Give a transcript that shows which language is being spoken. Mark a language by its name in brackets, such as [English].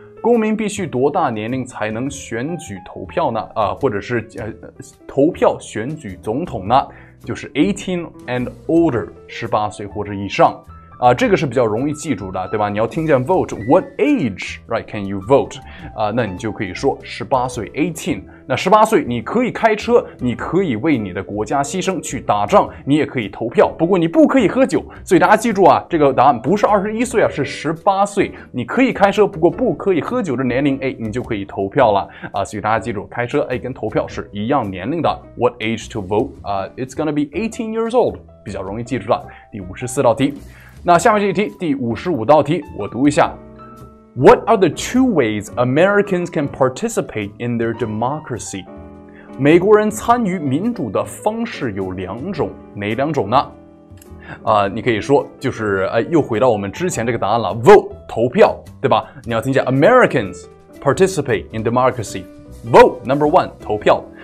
[Chinese] 公民必须多大年龄才能选举投票呢？或者是、投票选举总统呢？就是 [English] 18 and older, [Chinese] 18岁或者以上。这个是比较容易记住的，对吧？你要听见 vote, [English] what age, right, can you vote? [Chinese] 那你就可以说18岁 ,18。那18岁你可以开车，你可以为你的国家牺牲去打仗，你也可以投票，不过你不可以喝酒。所以大家记住啊，这个答案不是21岁啊，是18岁。你可以开车，不过不可以喝酒的年龄，哎，你就可以投票了。所以大家记住，开车，哎，跟投票是一样年龄的。 [English] What age to vote? It's gonna be 18 years old. [Chinese] 比较容易记住的。第54道题。那下面这一题，第55道题，我读一下。 [English] What are the two ways Americans can participate in their democracy? [Chinese] 美国人参与民主的方式有两种，哪两种呢？你可以说就是又回到我们之前这个答案了 ，vote 投票，对吧？你要听见 [English] Americans participate in democracy， vote number one [Chinese] 投票。